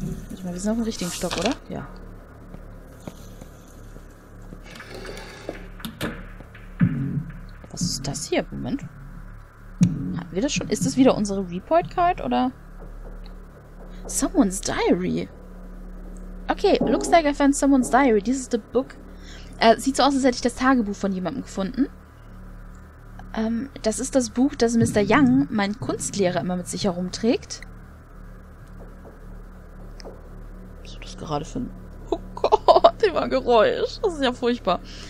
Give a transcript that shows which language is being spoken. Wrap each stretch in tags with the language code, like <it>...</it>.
<de>Warte mal, wir sind auf dem richtigen Stock, oder? Ja. Was ist das hier? Moment. Hatten wir das schon? Ist das wieder unsere Report-Card, oder?</de> <en>Someone's Diary. Okay, looks like I found someone's diary. This is the book.</en> <de>Sieht so aus, als hätte ich das Tagebuch von jemandem gefunden. Das ist das Buch, das Mr. Young, mein Kunstlehrer, immer mit sich herumträgt. Was ist das gerade für ein... Oh Gott, immer ein Geräusch. Das ist ja furchtbar.</de>